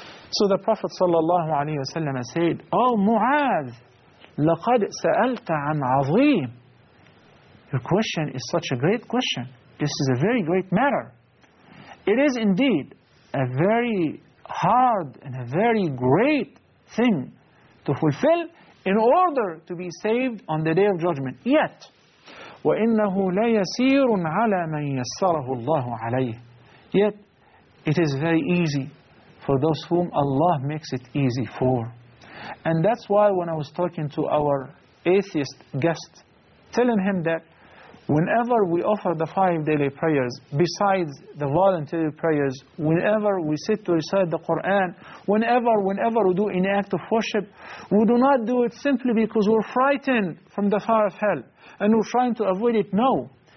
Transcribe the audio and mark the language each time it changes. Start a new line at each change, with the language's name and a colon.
English: So the Prophet sallallahu alaihi wasallam said, "Oh Mu'adh,
Arabic: لقد سألت عن عظيم."
English: Your question is such a great question. This is a very great matter. It is indeed a very hard and a very great thing to fulfill in order to be saved on the Day of Judgment. Yet,
Arabic: وَإِنَّهُ لَيَسِيرٌ عَلَى مَنْ يَسَّرَهُ اللَّهُ عَلَيْهِ.
English: Yet, it is very easy for those whom Allah makes it easy for. And that's why when I was talking to our atheist guest, telling him that whenever we offer the five daily prayers, besides the voluntary prayers, whenever we sit to recite the Quran, whenever we do any act of worship, we do not do it simply because we're frightened from the fire of hell and we're trying to avoid it. No.